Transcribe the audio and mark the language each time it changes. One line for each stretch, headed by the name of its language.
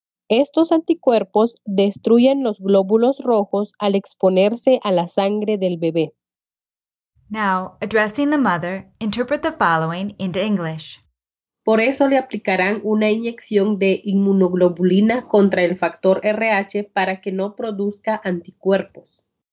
Spanish: Estos anticuerpos destruyen los glóbulos rojos al exponerse a la sangre del bebé.
English: Now, addressing the mother, interpret the following into English.
Spanish: Por eso le aplicarán una inyección de inmunoglobulina contra el factor RH para que no produzca anticuerpos.